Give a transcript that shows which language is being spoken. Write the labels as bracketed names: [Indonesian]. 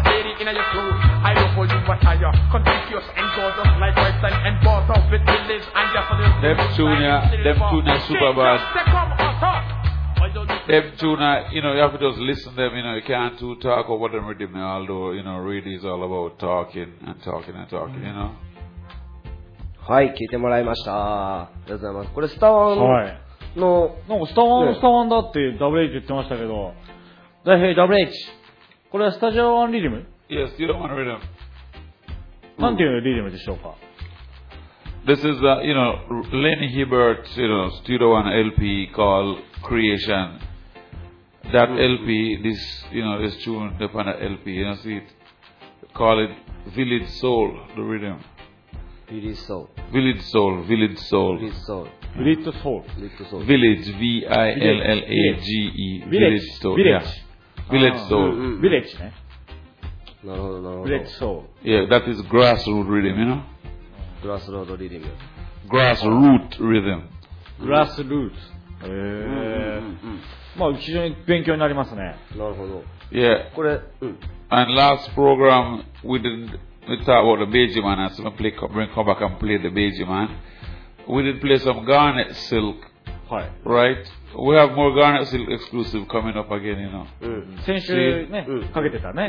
[English] Lady in your clothes, I love for you attire. Conspicuous and gorgeous like white sand and butter. With the lips and your for the Neptunia, Neptunia super bad. Them tuna, you know, you have to just listen to them, you know, you can't too talk over them with them, although, you know, really is all about talking and talking and talking, you know. [Japanese] はい、聞いてもらいました。ありがとうございます。これ、スタワンの、はい、なんかスタワン、ね、スタワンだって、WH 言ってましたけど、だい、 [English] hey, WH、 [Japanese] これはスタジオワンリリム [English] ?Yes, you don't want to rhythm. [Japanese] なんていうのリリムでしょうか。 [English] This is, you know, Lenny Hibbert's, you know, Studio One LP called Creation. That LP, this, you know, this tune, the Panda LP, you know, see it? Call it Village Soul, the rhythm. Village Soul. Village Soul, Village Soul. Village Soul. Village Soul. Village Soul. Village, V-I-L-L-A-G-E. Village Soul. Village. Village Soul. Village, ne? No, no, no. Village Soul. Yeah, that is grassroots rhythm, you know? Grassroot rhythm. Grassroot rhythm. Grassroot. [Japanese] へえ。まあ非常に勉強になりますね。なるほど。 [English] Yeah. [Japanese] これ。 [English] And last program we didn't we talk about the Beji man. I'm gonna play bring come back and play the Beji man. We did play some Garnet Silk. [Japanese] はい。 [English] Right. We have more Garnet Silk exclusive coming up again, you know. [Japanese] 先週ね、かけてたね。